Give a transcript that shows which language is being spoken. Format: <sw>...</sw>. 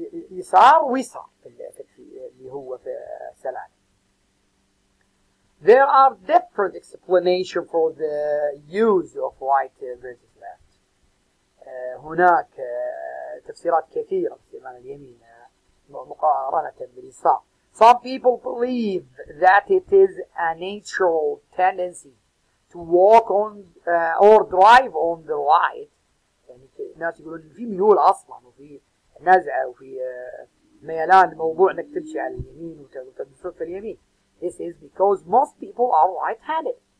<ar>يسار ويسار اللي هو في سلام.</ar> <en>There are different explanations for the use of right versus left.</en> <ar>هناك تفسيرات كثيرة استعمال اليمين مقارنة باليسار.</ar> <en>Some people believe that it is a natural tendency to walk on or drive on the right.</en> <ar>يعني الناس يقولون في ميول أصلا وفي نزعة وفي ميلان لموضوع أنك تمشي على اليمين وتدخل في اليمين.</ar> <en>This is because most people are right-handed.</en>